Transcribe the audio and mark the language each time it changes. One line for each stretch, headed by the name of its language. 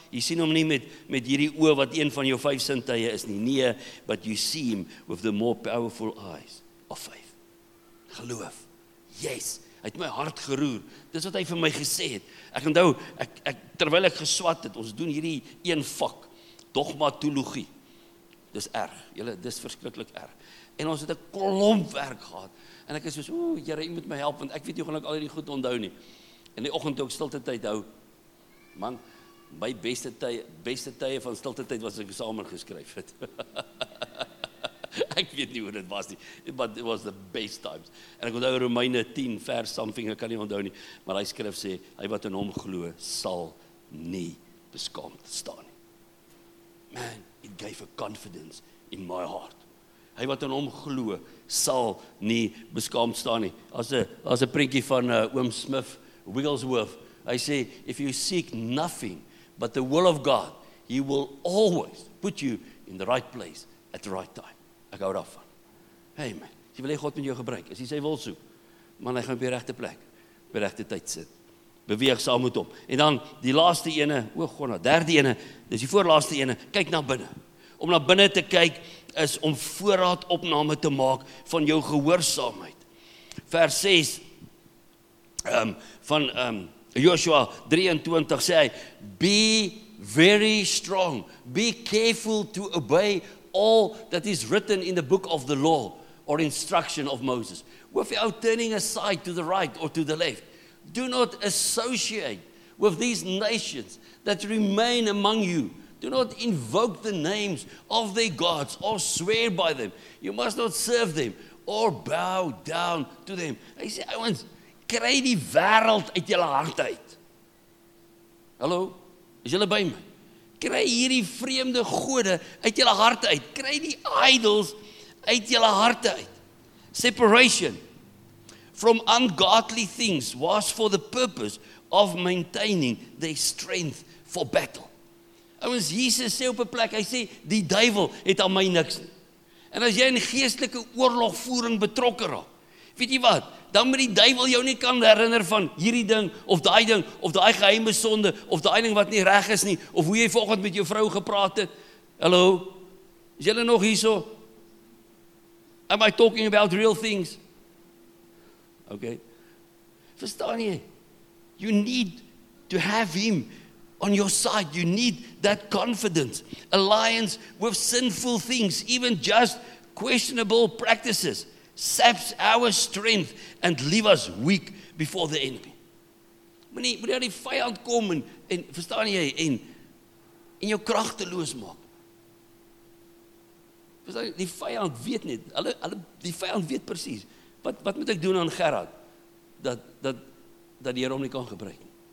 Afrikaans: Jy sien hom nie met hierdie oë wat een van jou vyf sintuie is nie.
English: Nee, but you see him with the more powerful eyes of faith.
Afrikaans: Geloof. Yes. Hy het my hart geroer. Dis wat hy vir my gesê het. Ek onthou, terwyl ek geswat het, ons doen hierdie een vak, dogmatologie. Dis erg. Julle, dis verskriklik erg. En ons het 'n klomp werk gehad. En ek is soos, ooh, Here, jy moet my help, want ek weet nie hoe ek al hierdie goed onthou nie. En die oggend toe ek stilte tyd hou, man, my beste tye van stilte tyd was ek eksamen geskryf het. Ek weet nie hoe dit was nie,
English: but it was the best times.
Afrikaans: En ek onthou Romeine 10 vers something, ek kan nie onthou nie, maar hy skrif sê, hy wat in hom glo, sal nie beskaamd staan nie.
English: Man, it gave a confidence in my heart.
Afrikaans: Hy wat in hom glo, sal nie beskaamd staan nie. As 'n prentjie van oom Smith Wigglesworth, hy sê,
English: if you seek nothing but the will of God, he will always put you in the right place at the right time.
Afrikaans: Ek hou daarvan. Hey man, as jy wil hê God met jou gebruik, as jy sy wil soek, man, hy gaan op die regte plek, op die regte tyd sit. Beweeg saam met hom. En dan die laaste ene, derde ene, dis die voorlaaste ene, kyk na binne. Om na binne te kyk, is om voorraad opname te maak van jou gehoorsaamheid. Vers 6 van Joshua 23 sê hy,
English: be very strong, be careful to obey all that is written in the book of the law or instruction of Moses, without turning aside to the right or to the left. Do not associate with these nations that remain among you. Do not invoke the names of their gods or swear by them. You must not serve them or bow down to them.
Afrikaans: Hy sê, ouens, kry die wêreld uit julle hart uit. Hallo, is julle by my? Kry hierdie vreemde gode uit julle hart uit. Kry die idols uit julle hart uit. Separation.
English: from ungodly things was for the purpose of maintaining their strength for battle.
Afrikaans: Ouens, Jesus sê op 'n plek, hy sê, die duivel het aan my niks nie. En as jy in geestelike oorlogvoering betrokke raak, weet jy wat, dan moet die duivel jou nie kan herinner van hierdie ding, of die geheime sonde, of die ding wat nie reg is nie, of hoe jy vanoggend met jou vrou gepraat het. Hallo, is jy nog hierso?
English: Am I talking about real things? Okay.
Afrikaans: Verstaan jy?
English: You need to have him on your side. You need that confidence, alliance with sinful things, even just questionable practices. Saps our strength and leave us weak before the enemy.
Afrikaans: Moenie die vyand kom en verstaan jy en jou kragteloos maak. Verstaan jy, die vyand weet net, hulle die vyand weet presies. Wat moet ek doen aan Gerard dat die Here hom nie kan gebruik nie.